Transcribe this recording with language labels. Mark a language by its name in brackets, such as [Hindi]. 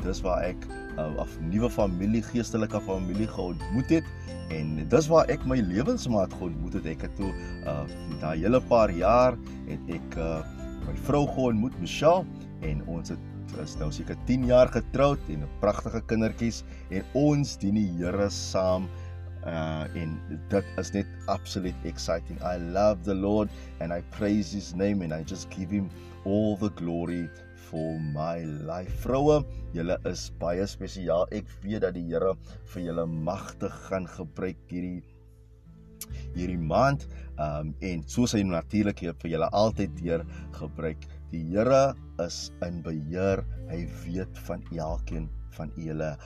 [Afrikaans] Dis waar ek 'n nuwe familie, geestelike familie geontmoet het en dis waar ek my lewensmaat geontmoet het. Ek het toe daai hele paar jaar het ek my vrou geontmoet, Michelle, en ons het is nou seker 10 jaar getroud en 'n pragtige kindertjies en ons dien die Here saam. En dit is net absolute exciting. [English] I love the Lord and I praise His name and I just give Him all the glory for my life. [Afrikaans] Vroue, julle is baie spesiaal. Ek weet dat die Here vir julle magtig gaan gebruik hierdie maand. En soos hy natuurlik vir julle altyd deur gebruik. Die Here is in beheer. Hy weet van elkeen van julle.